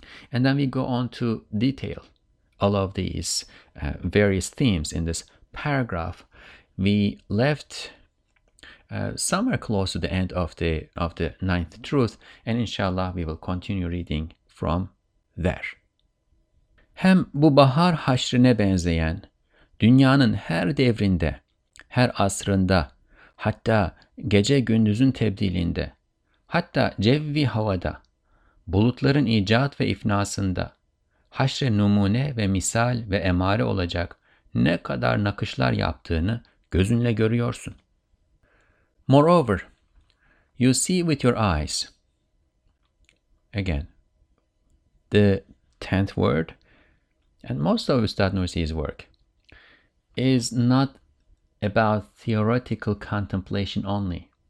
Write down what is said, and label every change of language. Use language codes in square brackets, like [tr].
[en] And then we go on to detail all of these various themes in this paragraph. We left somewhere close to the end of the ninth truth, and inshallah we will continue reading from there. [tr] Hem bu bahar haşrine benzeyen, dünyanın her devrinde her asrında, hatta gece gündüzün tebdilinde, hatta cevvi havada, bulutların icat ve ifnasında, haşre numune ve misal ve emare olacak ne kadar nakışlar yaptığını gözünle görüyorsun. [en] Moreover, you see with your eyes. Again, the 10th word, and most of Ustad Nursi's work, is not about theoretical contemplation only.